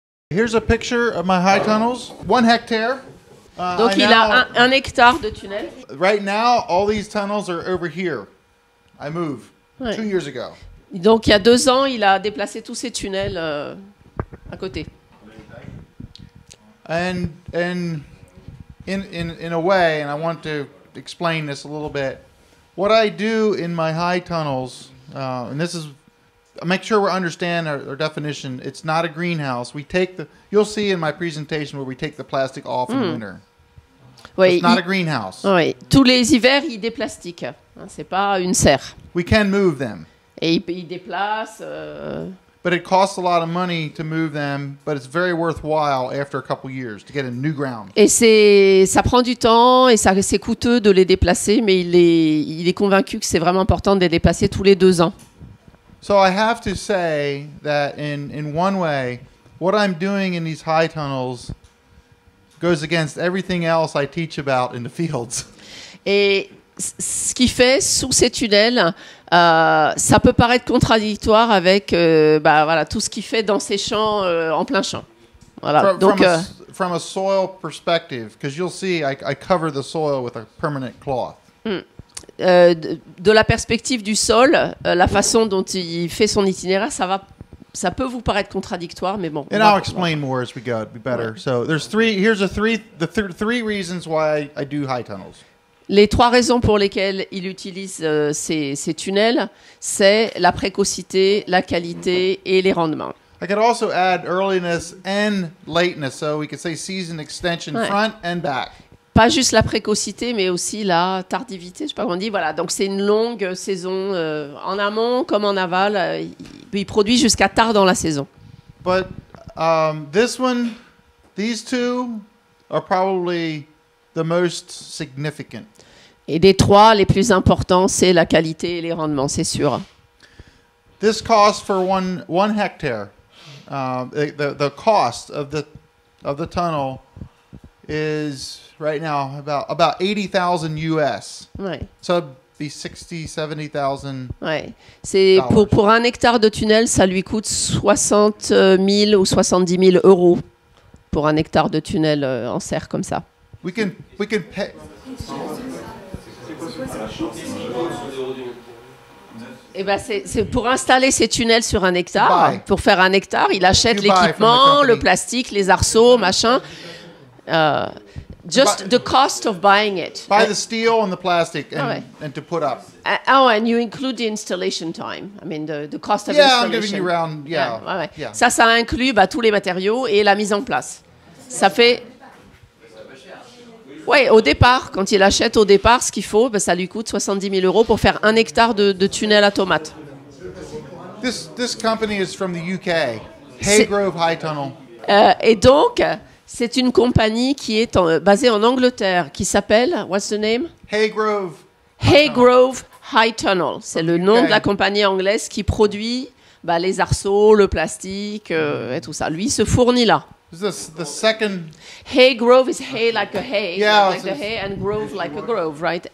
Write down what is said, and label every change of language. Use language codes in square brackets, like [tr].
[en] Here's a picture of my high tunnels. 1 hectare. [fr] Donc [en] I [fr] il [en] now, [fr] a un hectare de tunnel. [en] Right now, all these tunnels are over here. I moved ouais. 2 years ago. [fr] Donc il y a 2 ans, il a déplacé tous ses tunnels à côté. [en] And in a way, and I want to explain this a little bit. What I do in my high tunnels, and this is, make sure we understand our definition. It's not a greenhouse. We take the, you'll see in my presentation where we take the plastic off in winter. [fr] Oui, [en] it's not a greenhouse. [fr] Oui. Tous les hivers, il déplastique. Hein, c'est pas une serre. [en] We can move them. [fr] Et il déplace. [en] But it costs a lot of money to move them, but it's very worthwhile after a couple years to get a new ground. [fr] Et c'est, ça prend du temps et ça, c'est coûteux de les déplacer, mais il est convaincu que c'est vraiment important de les déplacer tous les 2 ans. [en] So I have to say that in one way, what I'm doing in these high tunnels goes against everything else I teach about in the fields. [fr] Et ce qu'il fait sous ces tunnels, ça peut paraître contradictoire avec voilà, tout ce qu'il fait dans ses champs en plein champ. Voilà. [en] From a soil perspective, because you'll see, I cover the soil with a permanent cloth. [fr] De la perspective du sol, la façon dont il fait son itinéraire, ça peut vous paraître contradictoire, mais bon. [en] And I'll explain more as we go, it'd be better. Ouais. So there's three reasons why I do high tunnels. [fr] Les 3 raisons pour lesquelles il utilise ces tunnels, c'est la précocité, la qualité et les rendements. [en] I could also add earliness and lateness, so we could say season extension front and back. [fr] Pas juste la précocité, mais aussi la tardivité, je ne sais pas comment dire. Voilà, donc c'est une longue saison en amont comme en aval. Il produit jusqu'à tard dans la saison. [en] But this one, these two are probably the most significant. [fr] Et des 3, les plus importants, c'est la qualité et les rendements, c'est sûr. [en] This cost for one hectare, the cost of the tunnel is right now about 80,000 US. [fr] Ouais. [en] So it'd be 60,000-70,000. [fr] Ouais. C'est pour un hectare de tunnel, ça lui coûte 60,000 ou 70,000 euros pour un hectare de tunnel en serre comme ça. [en] We can pay. [fr] Et ben c'est pour installer ces tunnels sur un hectare, pour faire un hectare, il achète l'équipement, le plastique, les arceaux, machin. [en] Just the cost of buying it. Buy the steel and the plastic and to put up. Oh, and you include the installation time. I mean, the cost of installation. Yeah, I'm giving you round. Yeah. [fr] Ça inclut tous les matériaux et la mise en place. Ça fait. Oui, au départ, quand il achète au départ ce qu'il faut, ça lui coûte 70,000 euros pour faire un hectare de tunnel à tomates. [en] This company is from the UK. Haygrove High Tunnel. [fr] Et donc, c'est une compagnie qui est basée en Angleterre, qui s'appelle, [en] what's the name? Haygrove High Tunnel. [fr] C'est le nom de la compagnie anglaise qui produit les arceaux, le plastique et tout ça. Lui, il se fournit là. [en] Is this the second? Hay grove is hay like a hay, yeah, like the hay, and grove like a grove, right?